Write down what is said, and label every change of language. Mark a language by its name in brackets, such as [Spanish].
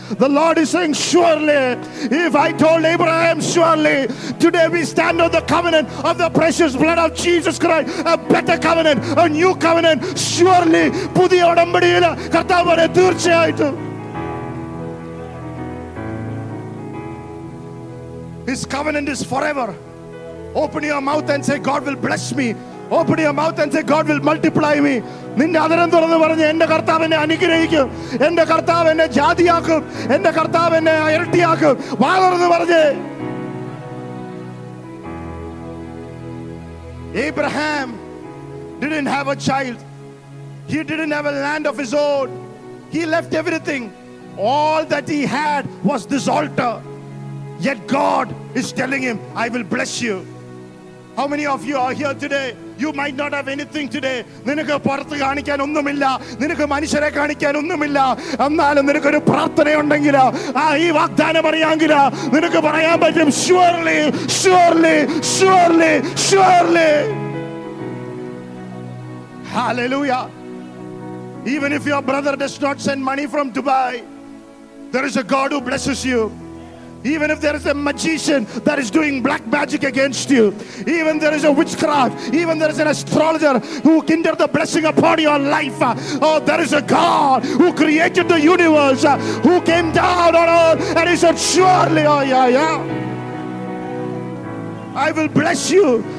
[English] The Lord is saying, surely, if I told Abraham, surely, today we stand on the covenant of the precious blood of Jesus Christ, a better covenant, a new covenant, surely, [Malayalam] pudhi odambadiyila, kathavare thirchayitu. [English] His covenant is forever. Open your mouth and say, God will bless me. Open your mouth and say, God will multiply me. [Malayalam] നിന്റെ അധരം തുറന്ന് പറഞ്ഞ് എന്റെ കർത്താവ് എന്നെ അനുഗ്രഹിക്കും, എന്റെ കർത്താവ് എന്നെ ജാതിയാക്കും, എന്റെ കർത്താവ് എന്നെ ഇരട്ടിയാക്കും, വാതുറന്ന് പറഞ്ഞ്. [English] Abraham didn't have a child. He didn't have a land of his own. He left everything. All that he had was this altar. Yet God is telling him, I will bless you. How many of you are here today? You might not have anything today. [Malayalam] നിനക്ക് പുറത്ത് കാണിക്കാൻ ഒന്നുമില്ല, നിനക്ക് മനുഷ്യരെ കാണിക്കാൻ ഒന്നുമില്ല, എന്നാലും നിനക്കൊരു പ്രാർത്ഥനയുണ്ടെങ്കിൽ, ആ ഈ വാഗ്ദാനം പറയാമെങ്കിൽ നിനക്ക് പറയാൻ പറ്റും, [English] surely, surely, surely, surely. Hallelujah. Even if your brother does not send money from Dubai, there is a God who blesses you. Even if there is a magician that is doing black magic against you, even there is a witchcraft, even there is an astrologer who hinder the blessing upon your life, oh, there is a God who created the universe, who came down on earth, and he said, surely, oh yeah, yeah, I will bless you.